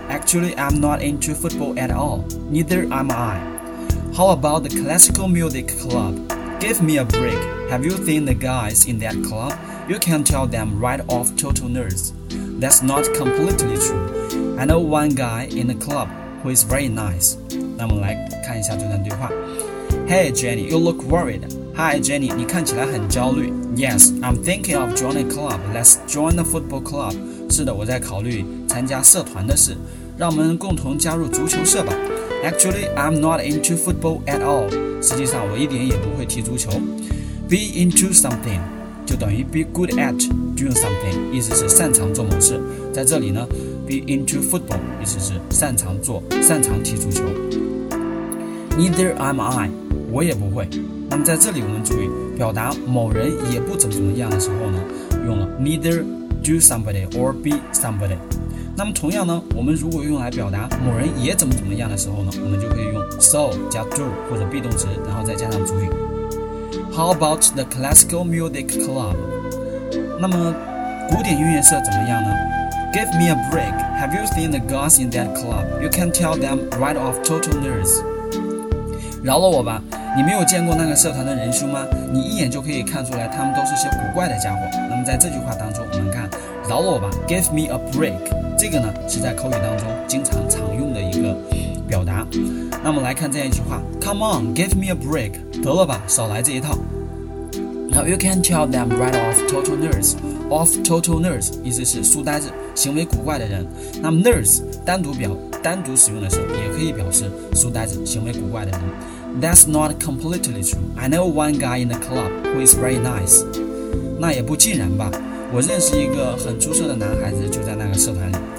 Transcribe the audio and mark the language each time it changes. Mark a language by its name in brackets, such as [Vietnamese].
[English] Actually, I'm not into football at all. Neither am IHow about the classical music club? Give me a break. Have you seen the guys in that club? You can tell them right off total nerds. That's not completely true. I know one guy in the club who is very nice. [Chinese] 那我们来看一下这段对话。 [English] Hey Jenny, you look worried. [Chinese] Hi Jenny, 你看起来很焦虑。 [English] Yes, I'm thinking of joining a club. Let's join a football club. [Chinese] 是的，我在考虑参加社团的事。让我们共同加入足球社吧。 [English] Actually, I'm not into football at all. [Chinese] 实际上我一点也不会踢足球。 [English] Be into something 就等于 be good at doing something, 意思是擅长做某事。 [Chinese] 在这里呢 be into football 意思是擅长踢足球。 Neither am I, 我也不会。那么在这里我们注意表达某人也不怎么怎么样的时候呢，用了 neither do somebody or be somebody。那么同样呢，我们如果用来表达某人也怎么怎么样的时候呢，我们就可以用 so 加 do 或者 be 动词，然后再加上主语。 [English] How about the classical music club? [Chinese] 那么古典音乐社怎么样呢？ [English] Give me a break. Have you seen the guys in that club? You can tell them right off total nerds. [Chinese] 饶了我吧，你没有见过那个社团的人数吗？你一眼就可以看出来他们都是些古怪的家伙。那么在这句话当中我们看饶了我吧， Give me a break. 这个呢是在口语当中经常常用的一个表达。那么来看这样一句话， Come on, give me a break. 得了吧，少来这一套。 [English] Now you can tell them right off total nerds. [Chinese] Off total nerds 意思是书呆子，行为古怪的人。那么 nerds 单独使用的时候也可以表示书呆子，行为古怪的人。 [English] That's not completely true. I know one guy in the club who is very nice. [Chinese] 那也不尽然吧。我认识一个很出色的男孩子就在那个社团里。